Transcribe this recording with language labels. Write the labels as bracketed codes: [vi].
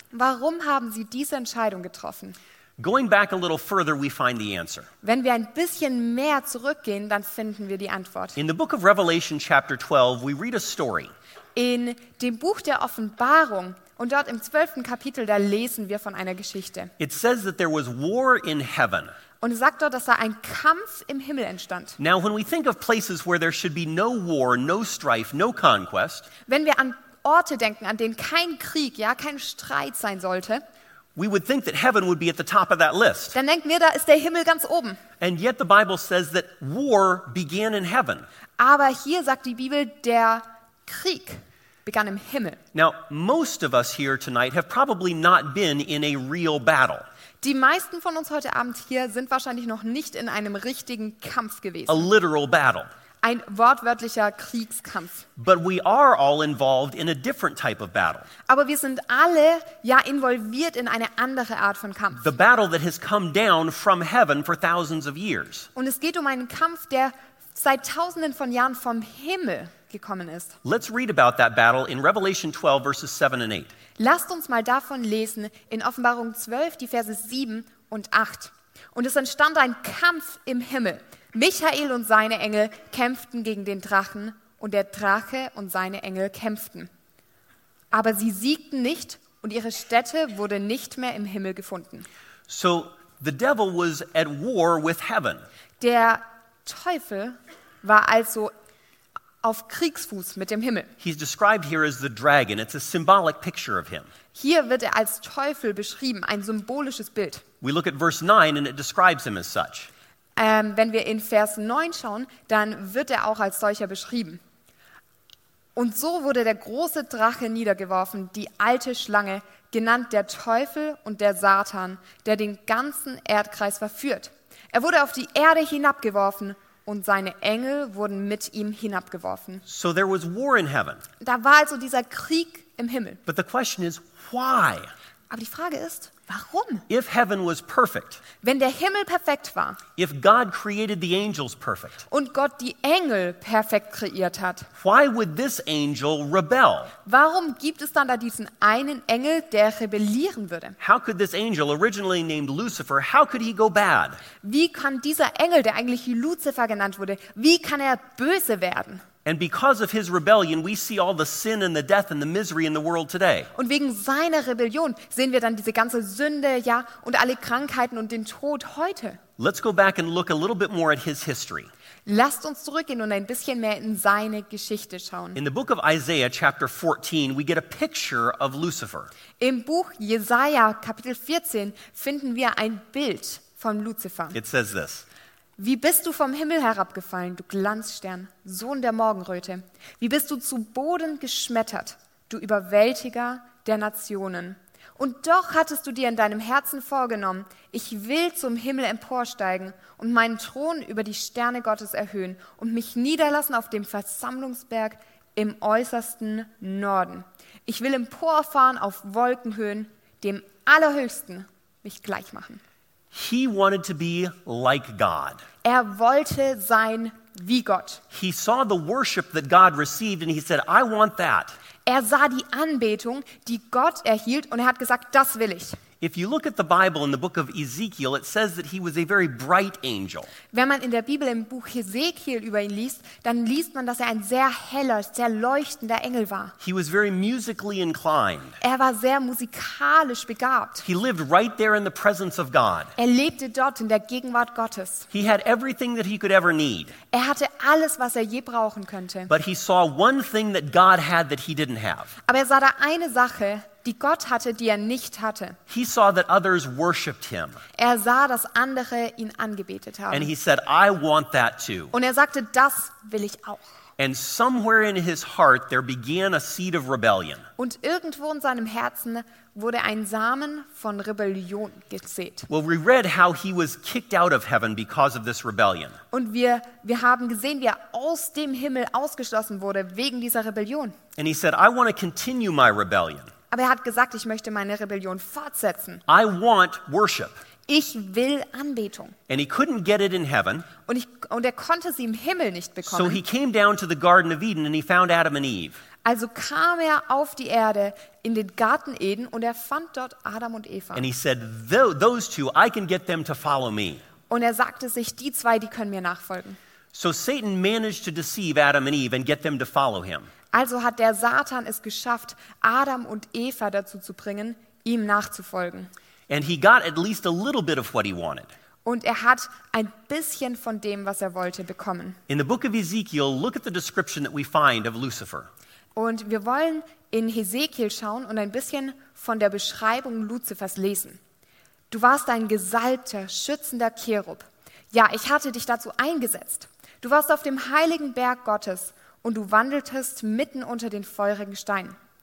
[de] Warum haben sie diese Entscheidung getroffen? [en] Going back a little further, we find the answer. [de] Wenn wir ein bisschen mehr zurückgehen, dann finden wir die Antwort. [en] In the book of Revelation chapter 12, we read a story. [de] In dem Buch der Offenbarung und dort im 12. Kapitel, da lesen wir von einer Geschichte. [en] It says that there was war in heaven. [de] Und es sagt dort, dass da ein Kampf im Himmel entstand. [en] Now when we think of places where there should be no war, no strife, no conquest. [de] Wenn wir an Orte denken, an denen kein Krieg, ja, kein Streit sein sollte. [en] We would think that heaven would be at the top of that list. [de] Dann denken wir, da ist der Himmel ganz oben. [en] And yet the Bible says that war began in heaven. [de] Aber hier sagt die Bibel, der Krieg begann im Himmel. [en] Now, most of us here tonight have probably not been in a real battle. [de] Die meisten von uns heute Abend hier sind wahrscheinlich noch nicht in einem richtigen Kampf gewesen. [en] A literal battle. [de] Ein wortwörtlicher Kriegskampf. [en] But we are all involved in a different type of battle. [de] Aber wir sind alle ja involviert in eine andere Art von Kampf. [en] The battle that has come down from heaven for thousands of years. [de] Und es geht um einen Kampf, der seit tausenden von Jahren vom Himmel gekommen ist. [en] Let's read about that battle in Revelation 12 verses 7 and 8. [de] Lasst uns mal davon lesen in Offenbarung 12 die Verse 7 und 8. Und es entstand ein Kampf im Himmel. Michael und seine Engel kämpften gegen den Drachen und der Drache und seine Engel kämpften. Aber sie siegten nicht und ihre Stätte wurde nicht mehr im Himmel gefunden. [en] So the devil was at war with heaven. [de] Der Teufel war also auf Kriegsfuß mit dem Himmel. [en] He's described here as the dragon. It's a symbolic picture of him. [de] Hier wird er als Teufel beschrieben, ein symbolisches Bild. [en] We look at verse 9 and it describes him as such. [de] Wenn wir in Vers 9 schauen, dann wird er auch als solcher beschrieben. Und so wurde der große Drache niedergeworfen, die alte Schlange, genannt der Teufel und der Satan, der den ganzen Erdkreis verführt. Er wurde auf die Erde hinabgeworfen und seine Engel wurden mit ihm hinabgeworfen. [en] So there was war in heaven. [de] Da war also dieser Krieg im Himmel. [en] But the question is, why? [de] Aber die Frage ist, warum? [en] If heaven was perfect, [de] wenn der Himmel perfekt war, [en] if God created the angels perfect, [de] und Gott die Engel perfekt kreiert hat, [en] why would this angel rebel? [de] Warum gibt es dann da diesen einen Engel, der rebellieren würde? [en] How could this angel, originally named Lucifer, how could he go bad? [de] Wie kann dieser Engel, der eigentlich Lucifer genannt wurde, wie kann er böse werden? [en] And because of his rebellion, we see all the sin and the death and the misery in the world today. [de] Und wegen seiner Rebellion sehen wir dann diese ganze Sünde, ja, und alle Krankheiten und den Tod heute. [en] Let's go back and look a little bit more at his history. [de] Lasst uns zurückgehen und ein bisschen mehr in seine Geschichte schauen. [en] In the book of Isaiah, chapter 14, we get a picture of Lucifer. [de] Im Buch Jesaja, Kapitel 14, finden wir ein Bild von Lucifer. [en] It says this. [de] Wie bist du vom Himmel herabgefallen, du Glanzstern, Sohn der Morgenröte? Wie bist du zu Boden geschmettert, du Überwältiger der Nationen? Und doch hattest du dir in deinem Herzen vorgenommen, ich will zum Himmel emporsteigen und meinen Thron über die Sterne Gottes erhöhen und mich niederlassen auf dem Versammlungsberg im äußersten Norden. Ich will emporfahren auf Wolkenhöhen, dem Allerhöchsten mich gleich machen. [en] He wanted to be like God. [de] Er wollte sein wie Gott. [en] He saw the worship that God received and he said, I want that. [de] Er sah die Anbetung, die Gott erhielt, und er hat gesagt, das will ich. [en] If you look at the Bible in the book of Ezekiel, it says that he was a very bright angel. [de] Wenn man in der Bibel im Buch Ezekiel über ihn liest, dann liest man, dass er ein sehr heller, sehr leuchtender Engel war. [en] He was very musically inclined. [de] Er war sehr musikalisch begabt. [en] He lived right there in the presence of God. [de] Er lebte dort in der Gegenwart Gottes. [en] He had everything that he could ever need. [de] Er hatte alles, was er je brauchen könnte. [en] But he saw one thing that God had that he didn't have. [de] Aber er sah da eine Sache, die Gott hatte, die er nicht hatte. [en] He saw that others worshiped him. [de] Er sah, dass andere ihn angebetet haben. [en] And he said, I want that too. [de] Und er sagte, das will ich auch. [en] And somewhere in his heart there began a seed of rebellion. [de] Und irgendwo in seinem Herzen wurde ein Samen von Rebellion gesät. [en] Well, we read how he was kicked out of heaven because of this rebellion. [de] Und wir haben gesehen, wie er aus dem Himmel ausgeschlossen wurde wegen dieser Rebellion. [en] And he said, I want to continue my rebellion. [de] Aber er hat gesagt, ich möchte meine Rebellion fortsetzen. [en] I want worship. [de] Ich will Anbetung. [en] And he couldn't get it in heaven. [de] Und er konnte sie im Himmel nicht bekommen. [en] So he came down to the Garden of Eden and he found Adam and Eve. [de] Also kam er auf die Erde in den Garten Eden und er fand dort Adam und Eva. [en] And he said, those two, I can get them to follow me. [de] Und er sagte sich, die zwei, die können mir nachfolgen. [en] So Satan managed to deceive Adam and Eve and get them to follow him. [de] Also hat der Satan es geschafft, Adam und Eva dazu zu bringen, ihm nachzufolgen. [en] And he got at least a little bit of what he wanted. [de] Und er hat ein bisschen von dem, was er wollte, bekommen. [en] In the book of Ezekiel, look at the description that we find of Lucifer. [de] Und wir wollen in Ezekiel schauen und ein bisschen von der Beschreibung Luzifers lesen. Du warst ein gesalbter, schützender Cherub. Ja, ich hatte dich dazu eingesetzt. Du warst auf dem heiligen Berg Gottes. Und du wandeltest mitten unter den feurigen Steinen.